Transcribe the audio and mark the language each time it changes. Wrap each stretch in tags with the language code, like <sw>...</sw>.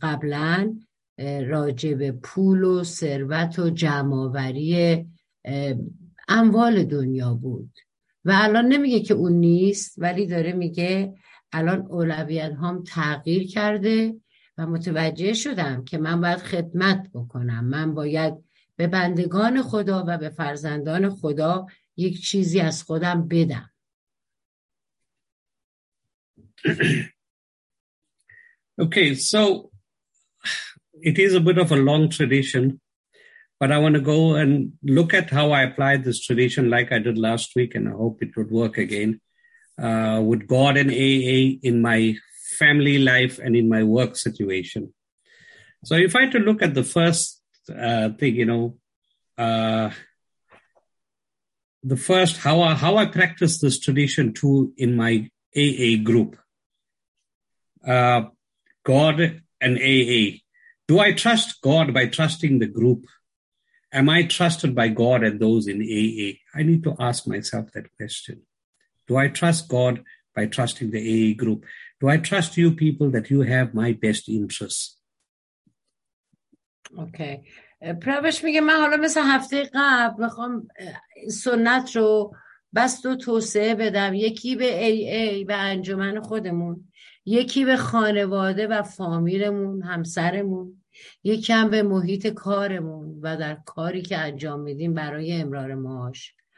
<fa>قبلا راجع به پول و ثروت و جمع‌آوری اموال دنیا بود و الان نمیگه که اون نیست، ولی داره میگه الان اولویت هام تغییر کرده و متوجه شدم که من باید خدمت بکنم، من باید به بندگان خدا و به فرزندان خدا یک چیزی از خودم بدم.</fa> <en>Okay, so it is a bit of a long tradition, but I want to go and look at how I applied this tradition like I did last week, and I hope it would work again with God and AA in my family life and in my work situation. So if I had to look at the first thing, you know, the first how I practice this tradition too in my AA group. God and AA. Do I trust God by trusting the group? Am I trusted by God and those in AA? I need to ask myself that question. Do I trust God by trusting the AA group? Do I trust you people that you have my best interests? Okay.</en> <fa>پروش میگه من حالا مثل هفته قبل میخوام سنت رو بس دو توسعه بدم، یکی به AA و انجمن خودمون، یکی به خانواده و فامیلمون، همسرمون، یکی هم به محیط کارمون و در کاری که انجام میدیم برای امرار معاش.</fa>